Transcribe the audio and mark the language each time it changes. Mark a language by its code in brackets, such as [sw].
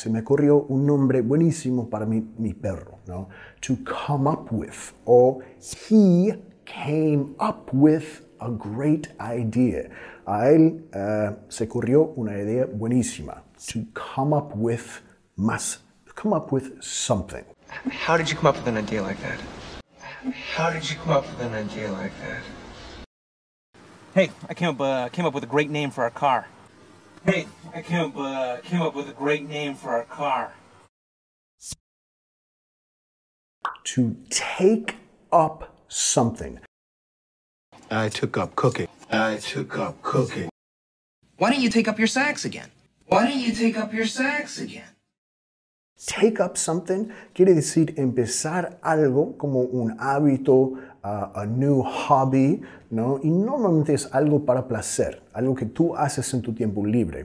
[es] Se me ocurrió un nombre buenísimo para mi perro, ¿no? [en] To come up with, or he came up with a great idea. [es] A él se ocurrió una idea buenísima. [en] To come up with come up with something. How did you come up with an idea like that? How did you come up with an idea like that? Hey, I came up with a great name for our car. Hey, I came up with a great name for our car. To take up something. I took up cooking. I took up cooking. Why don't you take up your sax again? Why don't you take up your sax again? Take up something [es] quiere decir empezar algo como un hábito, [en] a new hobby, [es] ¿no? Y normalmente es algo para placer, algo que tú haces en tu tiempo libre.